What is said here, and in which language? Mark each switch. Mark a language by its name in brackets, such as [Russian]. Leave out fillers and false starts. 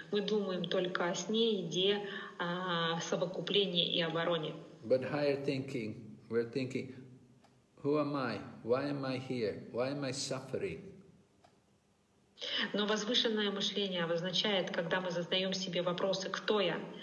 [Russian] Мы думаем только о сне, еде, совокуплении и обороне. [English] But higher thinking, we're thinking, who am I? Why am I here? Why am I suffering? [Russian] Но возвышенное мышление обозначает, когда мы задаем себе вопросы, кто я?